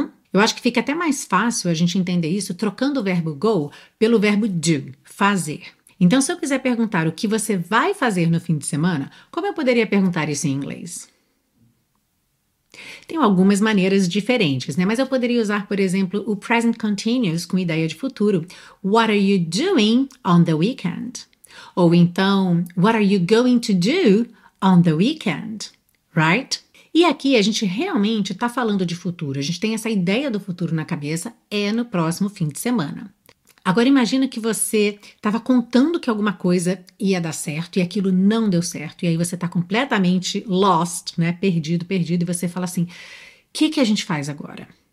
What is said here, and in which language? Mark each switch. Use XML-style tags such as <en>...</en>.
<pt>Eu acho que fica até mais fácil a gente entender isso trocando o verbo go pelo verbo do, fazer. Então, se eu quiser perguntar o que você vai fazer no fim de semana, como eu poderia perguntar isso em inglês? Tem algumas maneiras diferentes, né? Mas eu poderia usar, por exemplo, o present continuous com ideia de futuro.</pt> <en>What are you doing on the weekend?</en> <pt>Ou então,</pt> <en>what are you going to do on the weekend, right?</en> <pt>E aqui a gente realmente está falando de futuro. A gente tem essa ideia do futuro na cabeça, é no próximo fim de semana. Agora imagina que você estava contando que alguma coisa ia dar certo e aquilo não deu certo. E aí você está completamente lost, né? Perdido, perdido, e você fala assim: o que que a gente faz agora?</pt>